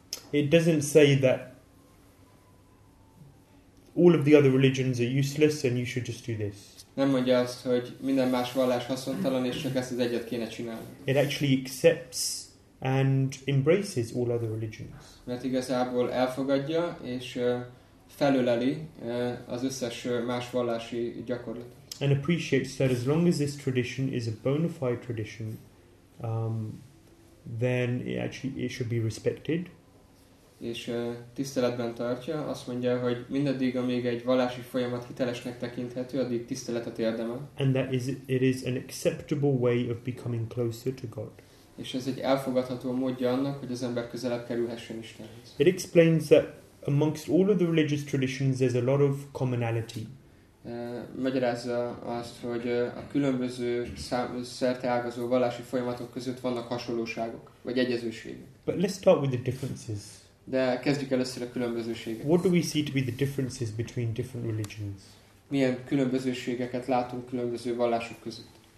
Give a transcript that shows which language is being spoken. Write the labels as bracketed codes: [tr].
[en] It doesn't say that all of the other religions are useless and you should just do this. [hu] Nem mondja azt, hogy minden más vallás haszontalan és csak ezt az egyet kéne csinálni. [en] It actually accepts and embraces all other religions. [hu] Mert igazából elfogadja és felöleli az összes más vallási gyakorlat. [en] And appreciates that as long as this tradition is a bona fide tradition, then it should be respected. [hu] És tiszteletben tartja, azt mondja, hogy mindaddig, amíg egy vallási folyamat hitelesnek tekinthető, addig tiszteletet érdemel. [en] And that is, it is an acceptable way of becoming closer to God. [hu] És ez egy elfogadható módja annak, hogy az ember közelebb kerülhessen Istenhez. [en] It explains that amongst all of the religious traditions, there's a lot of commonality. [hu] Magyarázza azt, hogy a különböző szerteágazó vallási folyamatok között vannak hasonlóságok, vagy egyezőségek. [en] But let's start with the differences. [hu] De kezdjük először a különbözőséget. [en] What do we see to be the differences between different religions? [hu] Milyen különbözőségeket látunk különböző vallások között?